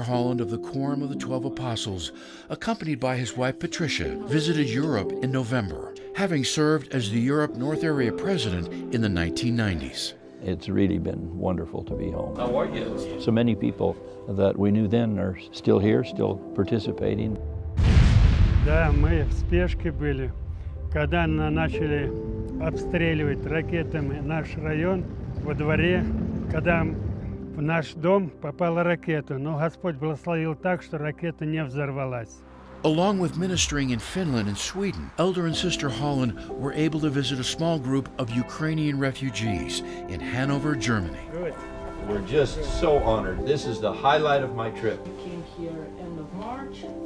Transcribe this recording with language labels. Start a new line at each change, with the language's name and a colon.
English: Holland of the Quorum of the 12 Apostles, accompanied by his wife Patricia, visited Europe in November, having served as the Europe North Area President in the 1990s. It's really been wonderful to be home. How are you? So many people that we knew then are still here, still participating.
Russian: Да, мы в спешке были, когда начали обстреливать ракетами наш район во дворе, когда в наш дом попала ракета, но Господь благословил так, что ракета не взорвалась.
English: Along with ministering in Finland and Sweden, Elder and Sister Holland were able to visit a small group of Ukrainian refugees in Hanover, Germany. Good. We're just so honored. This is the highlight of my trip. We came here end of March.